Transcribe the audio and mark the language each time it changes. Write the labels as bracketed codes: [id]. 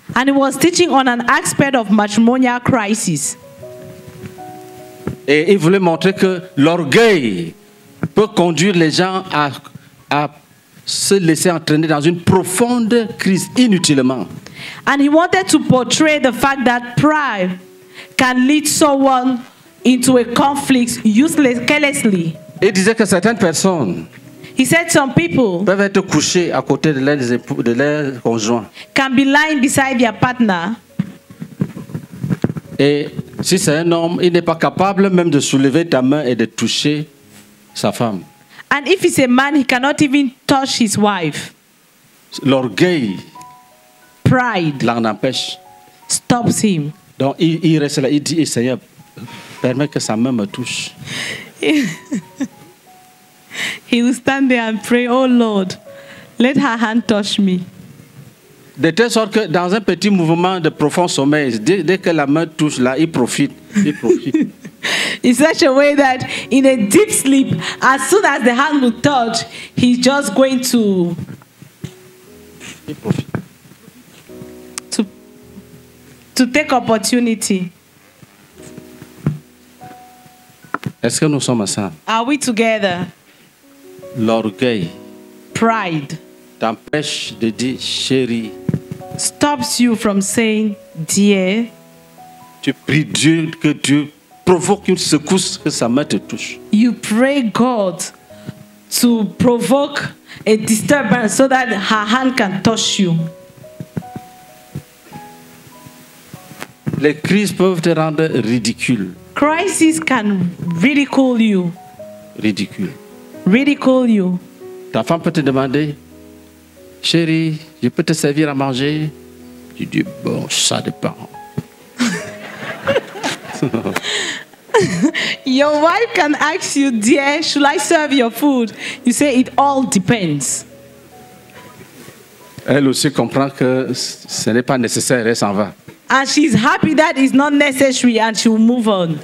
[en] And he was teaching on an aspect of matrimonial crisis. [fr] Et il voulait montrer que l'orgueil peut conduire les gens à se laisser entraîner dans une profonde crise inutilement. [en] And he wanted to portray the fact that pride can lead someone into a conflict useless, carelessly. [fr] Il disait que certaines personnes, [en] he said some people, [fr] peuvent être couchées à côté de leur conjoint, [en] can be lying beside their partner. [fr] Et si c'est un homme, il n'est pas capable même de soulever ta main et de toucher sa femme. [en] And if it's a man, he cannot even touch his wife. [fr] L'orgueil, [en] pride, [fr] l'en empêche, [en] stops him. [fr] Donc il reste là, il dit, Seigneur, permet que sa main me touche. [en] He will stand there and pray, oh Lord, let her hand touch me. [fr] De telle sorte que dans un petit mouvement de profond sommeil, dès que la main touche là, il profite. [en] In such a way that in a deep sleep, as soon as the hand will touch, he's just going to take opportunity. [fr] Est-ce que nous sommes ensemble? [en] Are we together? [fr] L'orgueil, [en] pride, [fr] t'empêche de dire chérie, [en] stops you from saying dear. [fr] Tu pries Dieu que Dieu provoque une secousse que sa main te touche. [en] You pray God to provoke a disturbance so that her hand can touch you. [fr] Les crises peuvent te rendre ridicule. [en] Crises can ridicule you. [fr] Ridicule. [en] Ridicule you. [fr] Ta femme peut te demander, chérie, je peux te servir à manger? Tu dis, bon, ça dépend. [en] Your wife can ask you, dear, should I serve your food? You say, it all depends. [fr] Elle aussi comprend que ce n'est pas nécessaire, elle s'en va. [en] And she's happy that it's not necessary and she will move on.